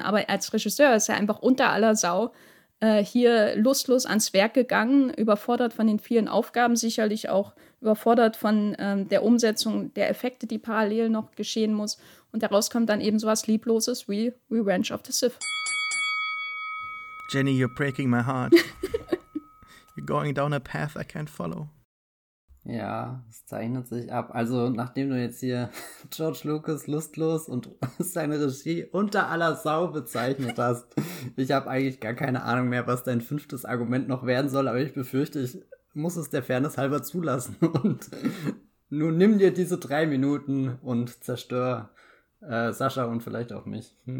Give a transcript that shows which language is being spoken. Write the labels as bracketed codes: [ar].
[de] Aber als Regisseur ist er einfach unter aller Sau hier lustlos ans Werk gegangen, überfordert von den vielen Aufgaben, sicherlich auch überfordert von der Umsetzung der Effekte, die parallel noch geschehen muss. Und daraus kommt dann eben sowas Liebloses wie Revenge of the Sith. [en] Jenny, you're breaking my heart. You're going down a path I can't follow. [de] Ja, es zeichnet sich ab. Also, nachdem du jetzt hier George Lucas lustlos und seine Regie unter aller Sau bezeichnet hast, ich habe eigentlich gar keine Ahnung mehr, was dein fünftes Argument noch werden soll, aber ich befürchte, ich muss es der Fairness halber zulassen. Und nun nimm dir diese 3 Minuten und zerstör Sascha und vielleicht auch mich.